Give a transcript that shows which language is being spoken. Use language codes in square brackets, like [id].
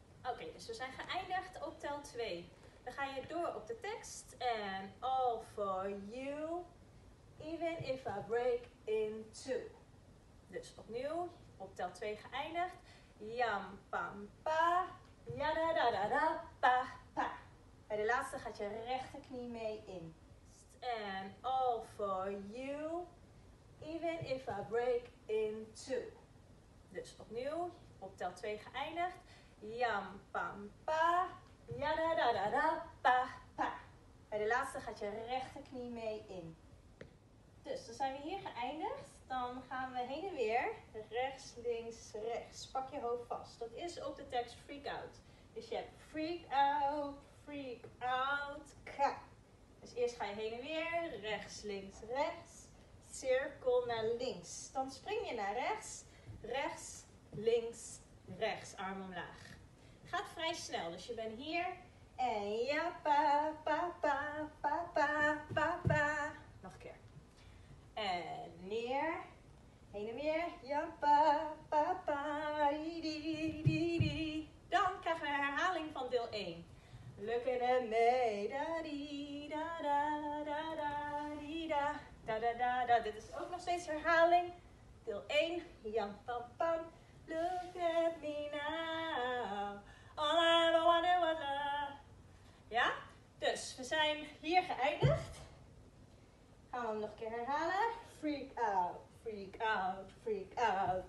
[nl] Oké, dus we zijn geëindigd op tel 2. Dan ga je door op de tekst en [en] all for you, even if I break in two. [nl] Dus opnieuw, op tel 2 geëindigd. Jam, pam, pa. Ja, da, da, da, da, pa, pa. Bij de laatste gaat je rechterknie mee in. [en] And all for you, even if I break in two. [nl] Dus opnieuw, op tel 2 geëindigd. Jam, pam, pa. Ja, da, da, da, da, pa, pa. Bij de laatste gaat je rechterknie mee in. Dus dan zijn we hier geëindigd. Dan gaan we heen en weer. Rechts, links, rechts. Pak je hoofd vast. Dat is op de tekst freak out. Dus je hebt [en] freak out, freak out. [nl] Ka. Dus eerst ga je heen en weer. Rechts, links, rechts. Cirkel naar links. Dan spring je naar rechts. Rechts, links, rechts. Arm omlaag. Gaat vrij snel. Dus je bent hier. En ja, pa, pa, pa, pa, pa, pa, pa. Nog een keer. En neer, heen en weer, ja, pa, pa, pa, di, di, di. Dan krijgen we een herhaling van deel 1. [en] Looking at me, da, di, da, da, da, da, di, da, da, da, da, da. [nl] Dit is ook nog steeds herhaling. Deel 1, [en] ja, pa, pa, look at me now, all I ever wanted was love. [nl] Ja, dus we zijn hier geëindigd. Gaan we hem nog een keer herhalen. [en] Freak out, freak out, freak out.